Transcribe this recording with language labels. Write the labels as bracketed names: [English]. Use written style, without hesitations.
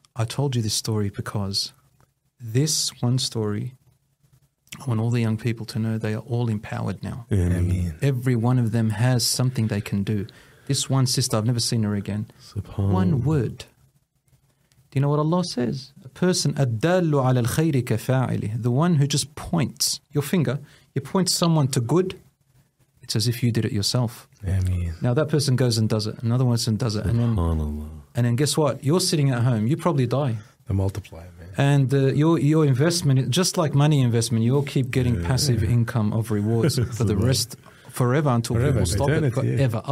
[English] I told you this story because this one story, I want all the young people to know they are all empowered now. Amen. Every one of them has something they can do. This one sister, I've never seen her again. One word. Do you know what Allah says? A person, [Arabic] أَدَّلُّ عَلَى الْخَيْرِ كَفَاعِلِ. [English] The one who just points your finger, you point someone to good, it's as if you did it yourself. Amen. Now that person goes and does it. Another one does it. And then guess what? You're sitting at home. You probably die. The multiplier. And your investment, just like money investment, you'll keep getting passive income of rewards for the rest, forever until people stop it, forever. Yeah.